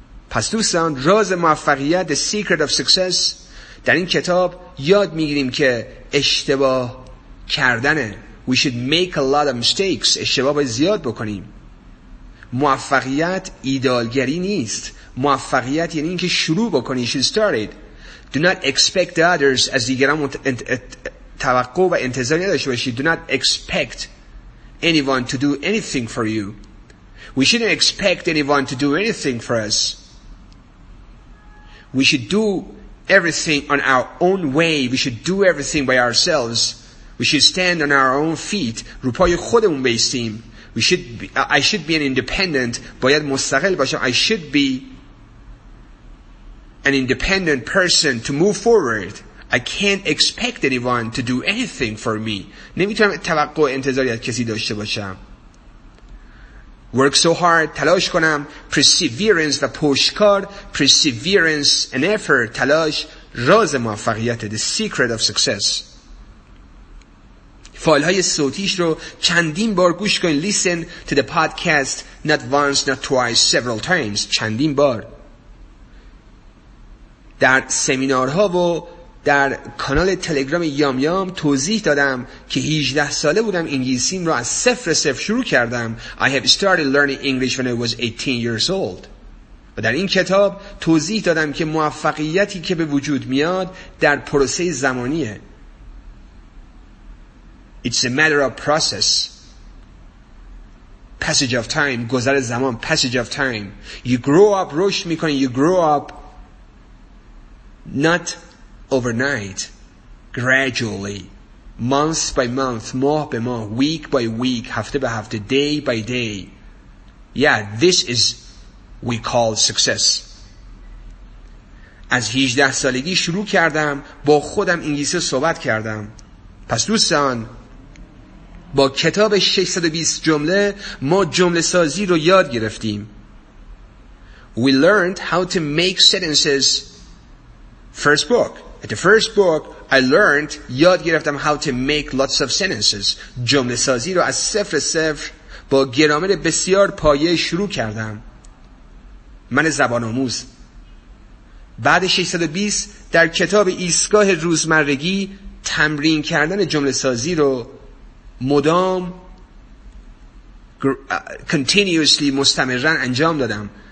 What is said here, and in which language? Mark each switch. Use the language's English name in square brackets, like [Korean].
[Persian] پس دوستان راز موفقیت, [English] the secret of success, [Persian] در این کتاب یاد میگیریم که اشتباه کردنه. [English] We should make a lot of mistakes. [Persian] اشتباه باید زیاد بکنیم. موفقیت ایدالگری نیست. موفقیت یعنی اینکه شروع بکنی. [English] You should start it. Do not expect others, [Persian] از دیگران توقع و انتظاری داشته باشید. [English] Do not expect anyone to do anything for you. We shouldn't expect anyone to do anything for us. We should do everything on our own way. We should do everything by ourselves. We should stand on our own feet. [Persian] رو پای خودمون بایستیم. [English] I should be an independent. [Persian] باید مستقل باشم. [English] I should be an independent person to move forward. I can't expect anyone to do anything for me. [Persian] نمیتونم توقع انتظاری از کسی داشته باشم. [English] Work so hard. [Persian] تلاش کنم. [English] Perseverance [Persian] و پشتکار. [English] Perseverance and effort. [Persian] تلاش راز موفقیت. [English] The secret of success. [Persian] فایل های صوتیش رو چندین بار گوش کن. [English] Listen to the podcast. Not once, not twice, several times. [Persian] چندین بار. در سمینارها و در کانال تلگرام یام یام توضیح دادم که 18 ساله بودم انگلیسیم رو از صفر صفر شروع کردم. [English] I have started learning English when I was 18 years old. [Persian] و در این کتاب توضیح دادم که موفقیتی که به وجود میاد در پروسه زمانیه. [English] It's a matter of process. Passage of time. [Persian] گذر زمان. [English] Passage of time. You grow up. [Persian] رشد میکنی. [English] You grow up. Not overnight, gradually, month by month, [Persian] ماه به ماه, [English] week by week, [Persian] هفته به هفته, [English] day by day. Yeah, this is we call success. [Persian] از 18 سالگی شروع کردم با خودم انگلیسی صحبت کردم. پس دوستان با کتاب 620 جمله ما جمله سازی رو یاد گرفتیم. [English] We learned how to make sentences. First book. At the first book, I learned, [Persian] یاد گرفتم [English] how to make lots of sentences. [Persian] جمله سازی رو از صفر صفر با گرامر بسیار پایه شروع کردم. من زبان آموز. بعد 620 در کتاب ایستگاه روزمرگی تمرین کردن جمله سازی رو مدام continuously مستمرن انجام دادم.